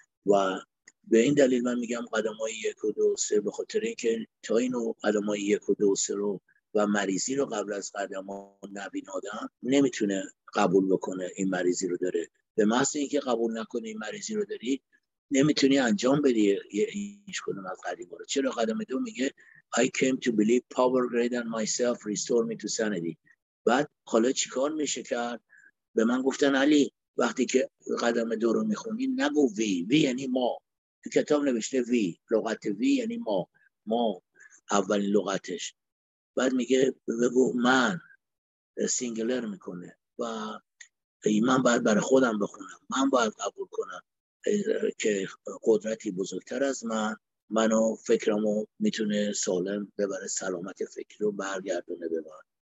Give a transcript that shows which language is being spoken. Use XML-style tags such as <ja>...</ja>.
<fa>و به این دلیل من میگم قدمای 1 و 2 و 3، به خاطر اینکه تا اینو قدمای 1 و 2 و 3 رو و مریضی رو قبل از قدم ها نبین آدم نمیتونه قبول بکنه این مریضی رو داره. به محض اینکه قبول نکنه این مریضی رو داری، نمیتونی انجام بدی هیچ کدوم از قدم ها رو. چرا قدم دو میگه</fa> <en>I came to believe power greater than myself restore me to sanity.</en> <fa>بعد حالا چیکار میشه کرد؟ به من گفتن علی وقتی که قدم دو رو میخونی نگو وی، وی یعنی ما. تو کتاب نوشته وی، لغت وی یعنی ما، ما اولین لغتش. بعد میگه بگو من، سینگلر میکنه، و من باید برای خودم بخونم، من باید قبول کنم که قدرتی بزرگتر از من منو فکرمو میتونه سالم ببره، سلامت فکر رو برگردونه به من.</fa>